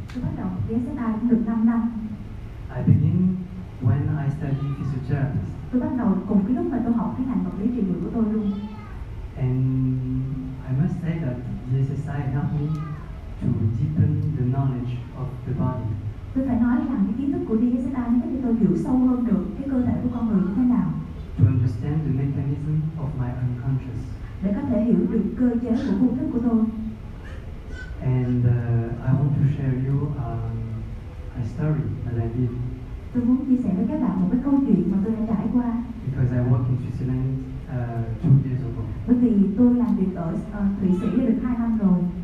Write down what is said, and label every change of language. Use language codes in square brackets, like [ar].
[vi] Tôi bắt đầu DSSI cũng được 5 năm. [en] I begin when I studied physiotherapy. [vi] Tôi bắt đầu cùng cái lúc mà tôi học cái ngành vật lý trị liệu của tôi luôn. [en] And I must say that DSSI helped me to deepen the knowledge of the body. [vi] Tôi phải nói rằng cái kiến thức của DSSI nó giúp cho tôi hiểu sâu hơn được cái cơ thể của con người như thế nào. [en] To understand the mechanism of my unconscious. [vi] Để có thể hiểu được cơ chế của vô thức của tôi. [en] And I want to share you a story that I did [vi] Tôi muốn chia sẻ với các bạn một cái câu chuyện mà tôi đã trải qua. [en] Because I work in Switzerland 2 years ago. [vi] Bởi vì tôi làm việc ở Thụy Sĩ được 2 năm rồi.